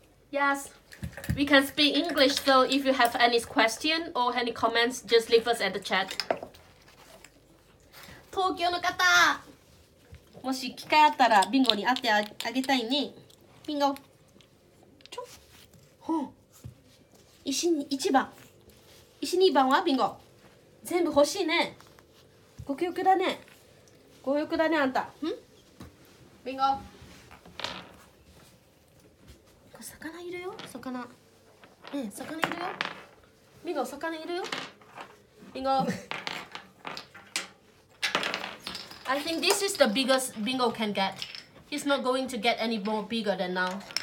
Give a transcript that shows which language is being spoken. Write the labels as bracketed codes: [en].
[en] Yes, we can speak English, so if you have any question or any comments, just leave us at the chat. [ja] 東京の方、もし機会あったらビンゴに会ってあげたいね。ビンゴ、ちょっ、ほう、石2番はビンゴ全部欲しいね。ご欲だね、ご欲だね、あんた。うん、ビンゴ、こ、魚いるよ、魚。ね、魚いるよビンゴ、魚いるよビンゴ [en] I think this is the biggest Bingo can get. He's not going to get any more bigger than now.